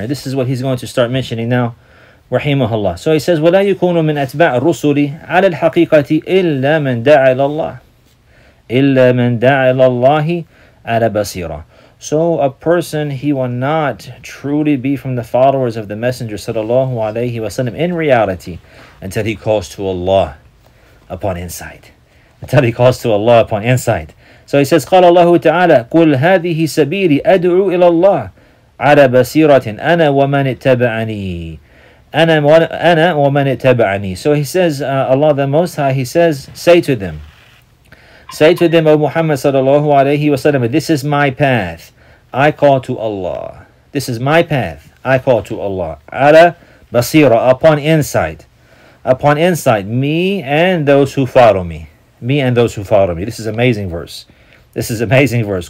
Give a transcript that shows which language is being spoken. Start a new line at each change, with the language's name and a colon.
English: And this is what he's going to start mentioning now. Rahimahullah. So he says,
Arabic: وَلَا يُكُونُ مِنْ أَتْبَعْ رُسُولِ عَلَى الْحَقِيقَةِ إِلَّا مَنْ دَعَى إِلَى اللَّهِ إِلَّا مَنْ دَعَى إِلَى اللَّهِ عَلَى بَصِيرًا.
English: So a person, he will not truly be from the followers of the Messenger sallallahu alayhi wa sallam in reality until he calls to Allah upon insight. So he says,
Arabic: قَالَ اللَّهُ تَعَالَى قُلْ هَذِهِ سَبِيلِ أَدْعُوا إِلَى اللَّهِ عَلَى بَصِيرَةٍ أَنَا وَمَنِ اتَّبَعَنِي. أنا ومن اتبعني.
English: So he says, Allah the Most High, he says, say to them, O Muhammad sallallahu alayhi wa sallam, this is my path, I call to Allah. This is my path, I call to Allah. Ala basira, upon insight, me and those who follow me. This is an amazing verse. This is an amazing verse.